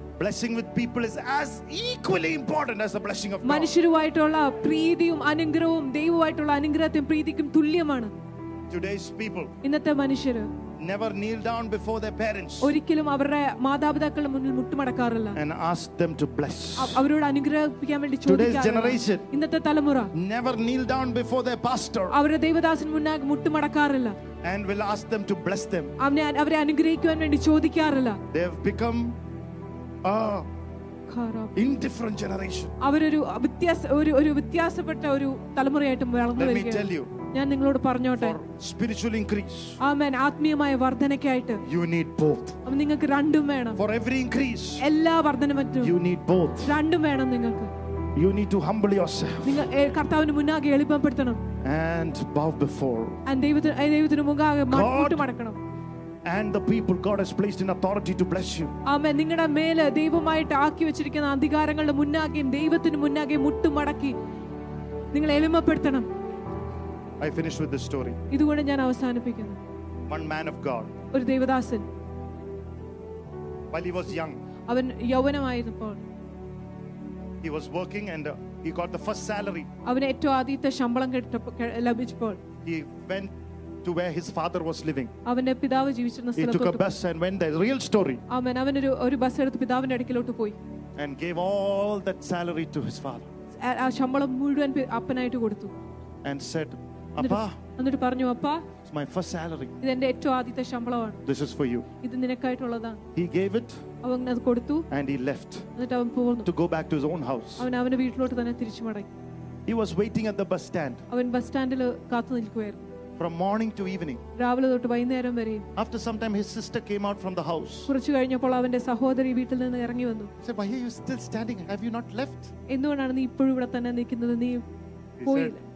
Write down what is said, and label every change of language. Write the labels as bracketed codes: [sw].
[en] Blessing with people is as equally important as the blessing of God. [ml] മനുഷ്യരുമായിട്ടുള്ള പ്രീതിയും അനുഗ്രഹവും ദൈവമായിട്ടുള്ള അനുഗ്രഹത്തിനും പ്രീതിക്കും തുല്യമാണ്. [en] Today's people, [ml] ഇന്നത്തെ മനുഷ്യർ, [en] never kneel down before their parents, [ml] ഒരിക്കലും അവരുടെ മാതാപിതാക്കളുടെ മുന്നിൽ മുട്ടുമടക്കാറില്ല, [en] and ask them to bless, [ml] അവരോട് അനുഗ്രഹിക്കാൻ വേണ്ടി ചോദിക്കാറില്ല. [en] Today's generation, [ml] ഇന്നത്തെ തലമുറ, [en] never kneel down before their pastor, [ml] അവരുടെ ദൈവദാസന് മുന്നാകെ മുട്ടുമടക്കാറില്ല, [en] and will ask them to bless them, [ml] അവരെ അനുഗ്രഹിക്കാൻ വേണ്ടി ചോദിക്കാറില്ല. [en] They have become a indifferent generation, [ml] അവരൊരു വ്യത്യാസപ്പെട്ട ഒരു തലമുറയായിട്ട് വളർന്നു വരികയാണ്. ഞാൻ നിങ്ങളോട് പറഞ്ഞോട്ടെ, [en] spiritual increase, [ml] ആമേൻ, ആത്മീയമായ വർദ്ധനയ്ക്കായിട്ട് [en] You need both. [ml] അപ്പോൾ നിങ്ങൾക്ക് രണ്ടും വേണം. [en] for every increase, [ml] എല്ലാ വർദ്ധനയ്ക്കും [en] You need both. [ml] രണ്ടും വേണം നിങ്ങൾക്ക്. [en] you need to humble yourself, [ml] നിങ്ങൾ കർത്താവിനു മുന്നാകെ എളിമപ്പെടുത്തണം. [en] and bow before, [ml] ആൻഡ് ദൈവത്തിനു മുന്നാകെ മുട്ടു മടക്കണം. [en] And the people God has placed in authority to bless you. Amen. [ml] നിങ്ങളുടെ മേൽ ദൈവമായിട്ട് ആക്കി വെച്ചിരിക്കുന്ന അധികാരങ്ങളുടെ മുന്നാകെ ദൈവത്തിനു മുന്നാകെ മുട്ടു മടക്കി നിങ്ങൾ എളിമപ്പെടുത്തണം. [en] I finish with this story. [ml] ഇതു കൊണ്ട് ഞാൻ അവസാനിപ്പിക്കുന്നു. [en] One man of God. [ml] ഒരു ദൈവദാസൻ. [en] While he was young. [ml] അവൻ യൗവനമായിരുന്നപ്പോൾ. [en] He was working and he got the first salary. [ml] അവൻ ഏറ്റവും ആദ്യത്തെ ശമ്പളം ലഭിച്ചപ്പോൾ. [en] He went to where his father was living. [ml] അവന്റെ പിതാവ് ജീവിച്ചിരുന്ന സ്ഥലത്തോട്ട്. [en] He took a bus and went there. Real story. [ml] ആമേൻ. അവൻ ഒരു ബസ് എടുത്ത് പിതാവിന്റെ അടുക്കലോട്ട് പോയി. [en] And gave all that salary to his father. [ml] ആ ശമ്പളം മുഴുവൻ അപ്പനായിട്ട് കൊടുത്തു. [en] And said, appa, [ml] എന്നിട്ട് പറഞ്ഞു, അപ്പ, [en] it's my first salary, [ml] ഇത് എന്റെ ഏറ്റവും ആദ്യത്തെ ശമ്പളമാണ്, [en] this is for you, [ml] ഇത് നിനക്കായിട്ടുള്ളതാണ്. [en] He gave it, [ml] അവൻ അത് കൊടുത്തു, [en] and he left, [ml] എന്നിട്ട് അവൻ പോന്നു, [en] to go back to his own house, [ml] അവൻ അവന്റെ വീട്ടിലോട്ട് തന്നെ തിരിച്ചു മടങ്ങി. [en] He was waiting at the bus stand, [ml] അവൻ ബസ് സ്റ്റാൻഡിൽ കാത്തു നിൽക്കുകയായിരുന്നു. [en] From morning to evening, [ml] രാവിലെ തൊട്ട് വൈകുന്നേരം വരെ. [en] After some time his sister came out from the house, [ml] കുറച്ചു കഴിഞ്ഞപ്പോൾ അവന്റെ സഹോദരി വീട്ടിൽ നിന്ന് ഇറങ്ങി വന്നു. [en] She said, why are you still standing, have you not left, [ml] എന്തുകൊണ്ടാണ് നീ ഇപ്പോഴും ഇവിടെ തന്നെ നിൽക്കുന്നത്, നീ പോയില്ല.